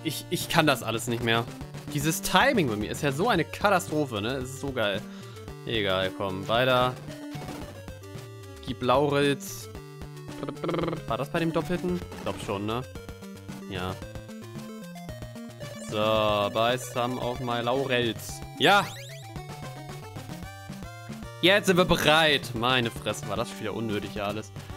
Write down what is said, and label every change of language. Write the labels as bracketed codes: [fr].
[de] Ich kann das alles nicht mehr. Dieses Timing bei mir ist ja so eine Katastrophe, ne? Es ist so geil. Egal, komm, weiter. Gib Lauritz. War das bei dem Doppelten? Ich glaub schon, ne? Ja. [en] So, buy some of my Laurels. [de] Ja! Jetzt sind wir bereit. Meine Fresse, war das wieder unnötig ja alles.